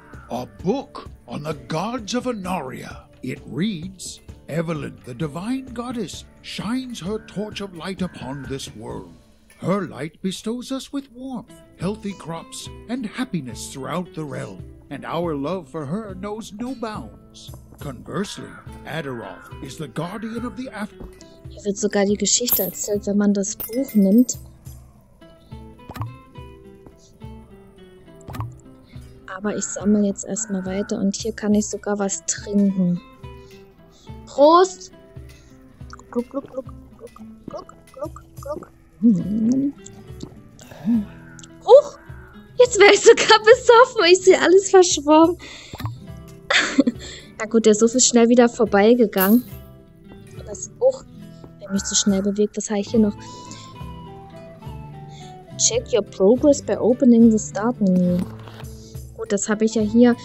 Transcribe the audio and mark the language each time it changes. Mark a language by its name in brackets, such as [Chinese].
[English] A book on the gods of Anoria. It reads, Evelyn, the divine goddess, shines her torch of light upon this world. Her light bestows us with warmth, healthy crops, and happiness throughout the realm, and our love for her knows no bounds. Conversely, Adaroth is the guardian of the afterlife. [German] Hier wird sogar die Geschichte erzählt, wenn man das Buch nimmt. Aber ich sammle jetzt erstmal weiter und hier kann ich sogar was trinken. Prost! Gluck, gluck, gluck, gluck, gluck, gluck, gluck. Huch! Jetzt wäre ich sogar besoffen. Ich sehe alles verschwommen. Na gut, der Suff ist schnell wieder vorbeigegangen. Das Huch, wenn mich zu schnell bewegt, was habe ich hier noch? [English] Check your progress by opening the start menu. [German] Das habe ich ja hier.